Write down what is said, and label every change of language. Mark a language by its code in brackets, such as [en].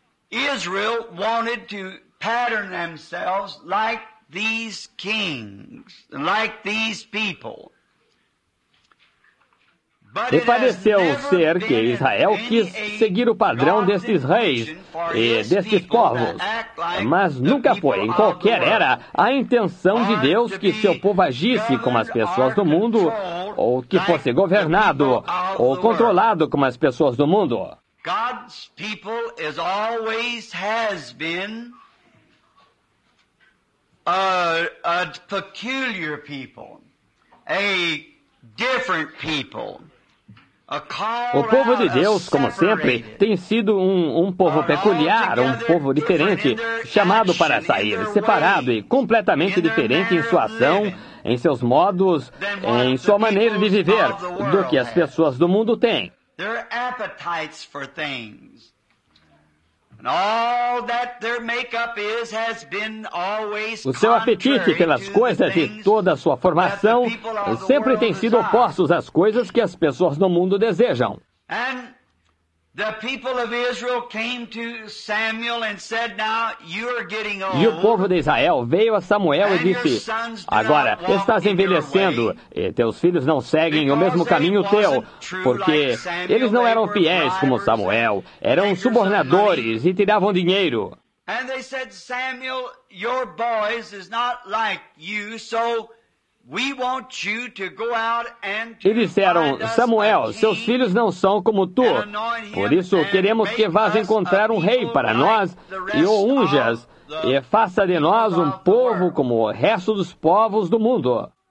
[en] Israel wanted to pattern themselves like these kings, like these people. [pt] E pareceu ser que Israel quis seguir o padrão destes reis e destes povos, mas nunca foi, em qualquer era, a intenção de Deus que seu povo agisse como as pessoas do mundo, ou que fosse governado ou controlado como as pessoas do mundo. [en] God's people is always has been a peculiar people, a different people. [pt] O povo de Deus, como sempre, tem sido um povo peculiar, um povo diferente, chamado para sair, separado e completamente diferente em sua ação, em seus modos, em sua maneira de viver, do que as pessoas do mundo têm. [en] Their appetites for things. And all that their makeup is has been always contrary. [pt] O seu apetite pelas coisas e toda a sua formação sempre tem sido opostos às coisas que as pessoas do mundo desejam. [en] And the people of Israel came to Samuel and said, "Now you are getting old." [pt] E o povo de Israel veio a Samuel e disse: "Agora estás envelhecendo, e teus filhos não seguem o mesmo caminho teu, porque eles não eram fiéis como Samuel, eram subornadores e tiravam dinheiro." [en] And they said, "Samuel, your boys is not like you, so we want you to go out and to [pt] e disseram, Samuel, seus filhos não são como tu, por isso queremos que vás encontrar um rei para nós e o unjas e faça de nós um povo como o resto dos povos do mundo.